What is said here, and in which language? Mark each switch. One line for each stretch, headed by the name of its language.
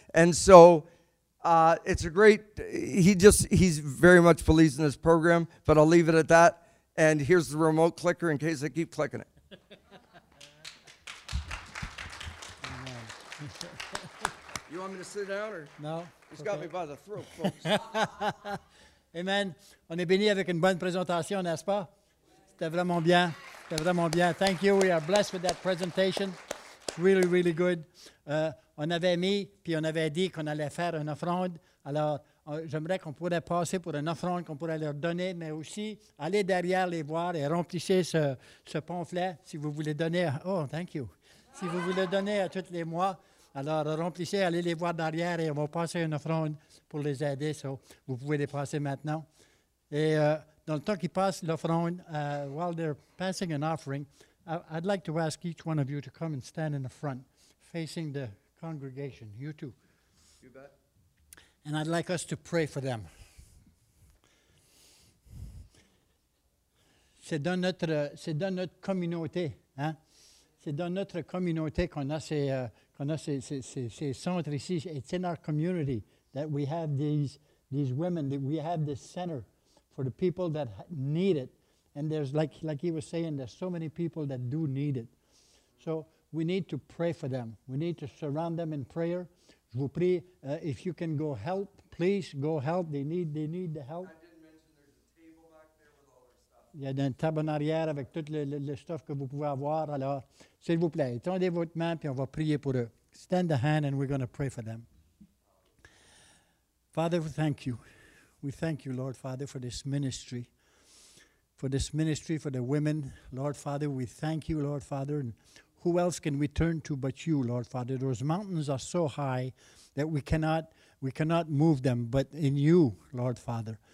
English: And so it's a great, he's very much believes in this program, but I'll leave it at that. And here's the remote clicker in case I keep clicking it. You want me to sit down or? No. He's okay. Got me by the throat, folks. Amen.
French: On est béni avec une bonne présentation, n'est-ce pas? C'était vraiment bien. C'était vraiment bien.
English: Thank you. We are blessed with that presentation. Really, really good.
French: On avait mis, puis on avait dit qu'on allait faire une offrande. Alors, j'aimerais qu'on pourrait passer pour une offrande qu'on pourrait leur donner, mais aussi aller derrière les voir et remplissez ce pamphlet si vous voulez donner.
English: Oh, thank you.
French: Si vous voulez donner à tous les mois, alors remplissez, allez les voir derrière et on va passer une offrande pour les aider. So, vous pouvez les passer maintenant. Et dans le temps qui passe, l'offrande,
English: while they're passing an offering, I'd like to ask each one of you to come and stand in the front, facing the congregation, you too. You bet. And I'd like us to pray for them.
French: C'est dans notre communauté, hein? C'est dans notre communauté qu'on a ces centres ici.
English: It's in our community that we have these women, that we have this center for the people that need it. And there's, like he was saying, there's so many people that do need it. So we need to pray for them. We need to surround them in prayer.
French: Je vous prie,
English: if you can go help, please go help. They need the help. I didn't mention there's a table back there with all their stuff.
French: Il y a un table en arrière avec tout le stuff que vous pouvez avoir. Alors, s'il vous plaît, tendez votre main puis on va prier pour eux.
English: Stand a hand and we're going to pray for them. Father, we thank you. We thank you, Lord Father, for this ministry. For this ministry, for the women. Lord Father, we thank you, Lord Father. And who else can we turn to but you, Lord Father? Those mountains are so high that we cannot move them, but in you, Lord Father.